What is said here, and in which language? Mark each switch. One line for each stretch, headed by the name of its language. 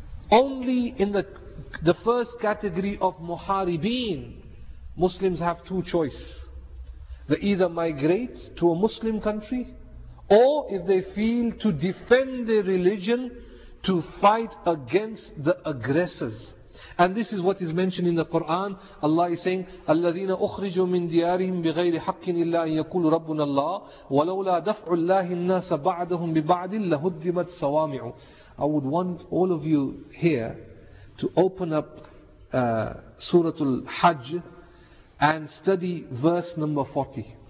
English: Only in the first category of Muharibin, Muslims have two choices. They either migrate to a Muslim country, or if they feel to defend their religion, to fight against the aggressors. And this is what is mentioned in the Quran. Allah is saying,
Arabic: الَّذِينَ أُخْرِجُوا مِنْ دِيَارِهِمْ بِغَيْرِ حَقٍّ إِلَّا أَنْ يَقُولُ رَبُّنَا اللَّهِ وَلَوْلَا دَفْعُ اللَّهِ النَّاسَ بَعْدَهُمْ بِبَعْدٍ لَهُدِّمَتْ صَوَامِعُ.
English: I would want all of you here to open up Surah Al-Hajj and study verse number 40.